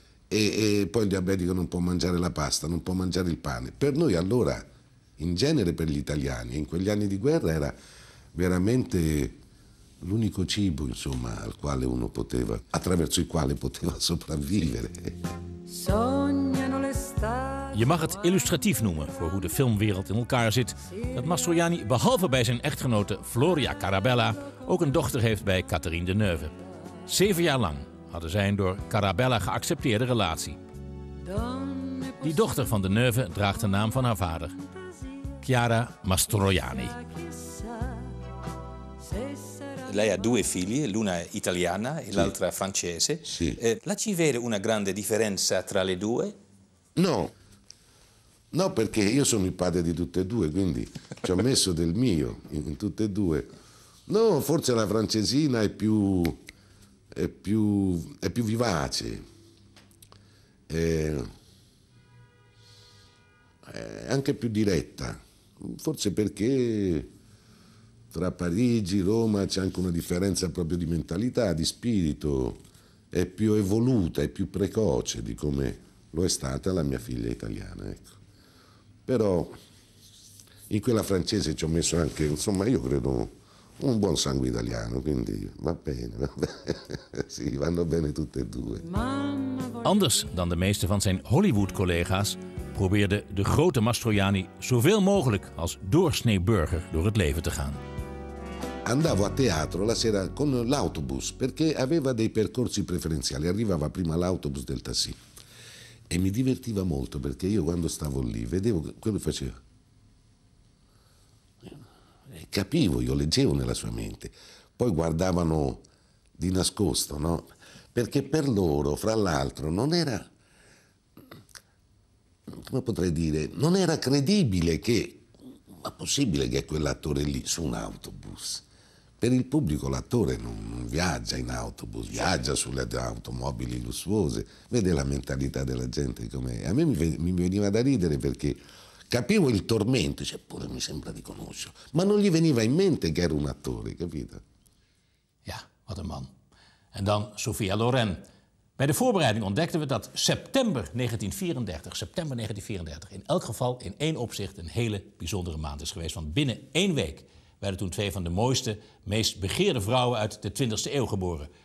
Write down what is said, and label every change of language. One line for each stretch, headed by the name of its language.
Italian: E poi il diabetico non può mangiare la pasta, non può mangiare il pane. Per noi allora, in genere per gli italiani, in quegli anni di guerra era veramente l'unico cibo, insomma, al quale uno poteva, attraverso il quale poteva sopravvivere.
Dutch: Je mag het illustratief noemen voor hoe de filmwereld in elkaar zit, dat Mastroianni behalve bij zijn echtgenote Floria Carabella ook een dochter heeft bij Catherine Deneuve. 7 jaar lang hadden zij een door Carabella geaccepteerde relatie. Die dochter van Deneuve draagt de naam van haar vader, Chiara Mastroianni.
Italian: Lei ha 2 figli, l'una italiana e l'altra francese. Sì. La ci vede una grande differenza tra le due? No. No, perché io sono il padre di tutte e due, quindi ci ho messo del mio in tutte e due. No, forse la francesina è più vivace. È anche più diretta. Forse perché tra Parigi, Roma c'è anche una differenza proprio di mentalità, di spirito, è più evoluta, è più precoce di come lo è stata la mia figlia italiana, ecco. Però in quella francese ci ho messo anche, insomma, io credo un buon sangue italiano, quindi va bene. Sì, vanno bene tutte e due.
Dutch: Anders dan de meeste van zijn Hollywood collega's probeerde de grote Mastroianni zoveel mogelijk als doorsnee burger door het leven te gaan.
Italian: andavo a teatro la sera con l'autobus perché aveva dei percorsi preferenziali, arrivava prima l'autobus del tassì e mi divertiva molto perché io quando stavo lì vedevo quello che faceva e capivo, io leggevo nella sua mente, poi guardavano di nascosto, no? Perché per loro, fra l'altro, non era, come potrei dire, non era credibile che, ma possibile che quell'attore lì su un autobus. Per il pubblico l'attore non viaggia in autobus, viaggia sulle automobili lussuose, vede la mentalità della gente com'è. A me mi veniva da ridere perché capivo il tormento, cioè pure mi sembra di conoscerlo, ma non gli veniva in mente che era un attore, capito?
Dutch: Ja, wat een man. En dan Sophia Loren. Bij de voorbereiding ontdekten we dat september 1934, in elk geval in één opzicht een hele bijzondere maand is geweest. Want binnen één week werden toen twee van de mooiste, meest begeerde vrouwen uit de 20e eeuw geboren.